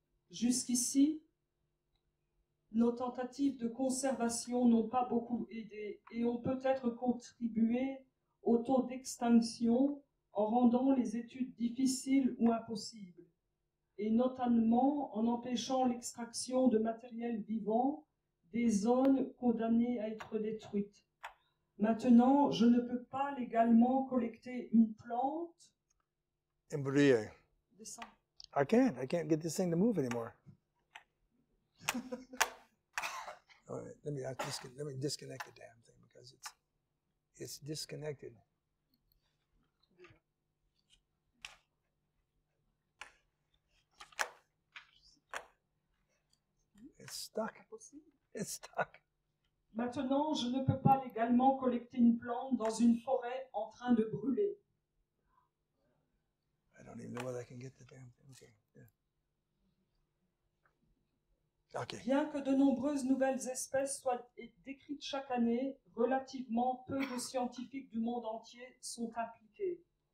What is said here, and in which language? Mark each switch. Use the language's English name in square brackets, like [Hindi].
[French] Jusqu'ici, nos tentatives de conservation n'ont pas beaucoup aidé et ont peut-être contribué au taux d'extinction en rendant les études difficiles ou impossibles, et notamment en empêchant l'extraction de matériel vivant des zones condamnées à être détruites. Maintenant, je ne peux pas légalement collecter une plante. [English] Embryo. I can't get this thing to move anymore. All right, let me disconnect the damn thing because it's disconnected. It's stuck. [French] Maintenant, je ne peux pas légalement collecter une plante dans une forêt en train de brûler. [English] I don't even know whether I can get the damn thing. Okay. Okay. [French] Bien que de nombreuses nouvelles espèces soient décrites chaque année, relativement peu de scientifiques du monde entier sont impliqués.